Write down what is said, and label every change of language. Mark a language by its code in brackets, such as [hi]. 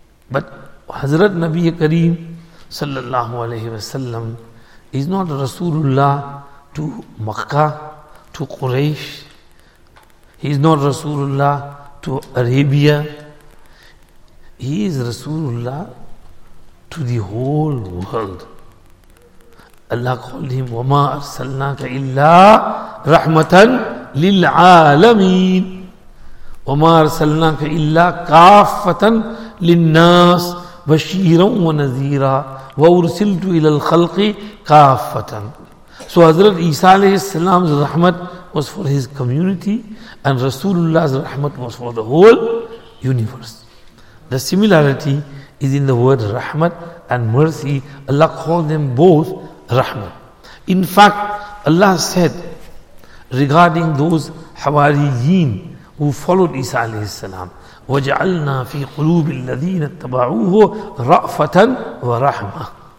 [en] But Hazrat Nabi Kareem sallallahu alayhi wa sallam is not Rasulullah to Makkah, to Quraysh. He is not Rasulullah to Arabia. He is Rasulullah to the whole world. Allah called him, [ar] وَمَا أَرْسَلْنَاكَ إِلَّا رَحْمَةً لِلْعَالَمِينَ وَمَا أَرْسَلْنَاكَ إِلَّا كَافَّةً لِلنَّاسِ بَشِيرًا وَنَذِيرًا وَأُرْسِلْتُ إِلَى الْخَلْقِ كَافَّةً. [en] So Hazrat Isa alayhi salam's rahmat was for his community, and Rasulullah's rahmat was for the whole universe. The similarity is in the word rahmat and mercy. Allah called them both rahmat. In fact, Allah said regarding those Hawariyin who followed Isa alayhi salam, [ar] وَجَعَلْنَا فِي قُلُوبِ الَّذِينَ اتَّبَعُوهُ رَأْفَةً وَرَحْمَةً.